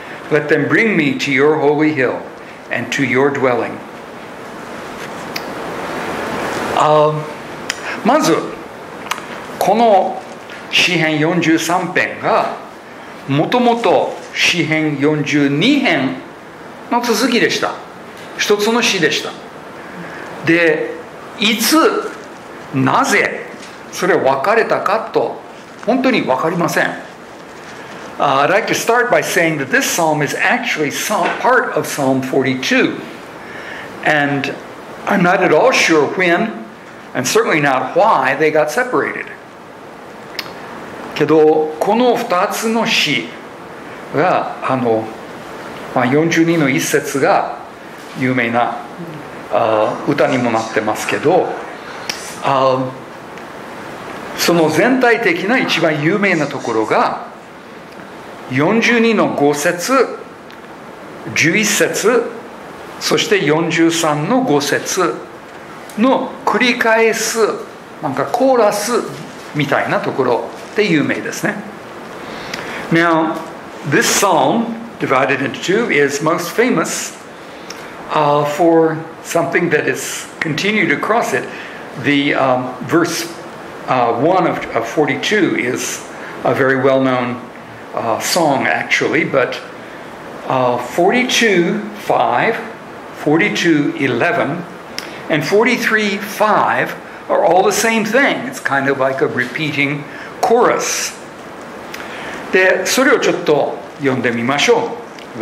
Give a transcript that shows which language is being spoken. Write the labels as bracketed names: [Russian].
[English] Let them bring me to your holy hill and to your dwelling. [Japanese] まず、この詩編43編がもともと詩編42編の続きでした。一つの詩でした。で、いつ、なぜそれ分かれたかと本当に分かりません。 [English] I'd like to start by saying that this psalm is actually part of Psalm 42. And I'm not at all sure when, and certainly not why, they got separated. [Japanese] けど、この2つの詩が、42の一節が有名な歌にもなってますけど、その全体的な一番有名なところが42の5節11節そして43の5節の繰り返すなんかコーラスみたいなところで有名ですね。 [English] Now this psalm divided into two is most famousfor something that is continued across it. The verse 1 of 42 is a very well-known song, actually, but 42:5, 42:11, and 43:5 are all the same thing. It's kind of like a repeating chorus. [Japanese] で、それをちょっと読んでみましょう。